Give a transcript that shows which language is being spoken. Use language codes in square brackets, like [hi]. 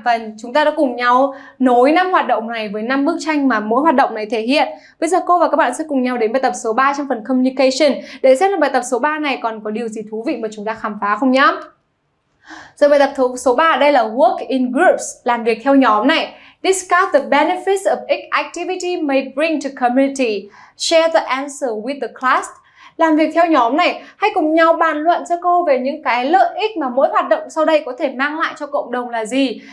[vi] Và chúng ta đã cùng nhau nối 5 hoạt động này với 5 bức tranh mà mỗi hoạt động này thể hiện. Bây giờ cô và các bạn sẽ cùng nhau đến bài tập số 3 trong phần communication để xem là bài tập số 3 này còn có điều gì thú vị mà chúng ta khám phá không nhá. Giờ bài tập số 3 đây là [en] work in groups, [vi] làm việc theo nhóm này. [en] Discuss the benefits of each activity may bring to community. Share the answer with the class. [vi] Làm việc theo nhóm này, hãy cùng nhau bàn luận cho cô về những cái lợi ích mà mỗi hoạt động sau đây có thể mang lại cho cộng đồng là gì.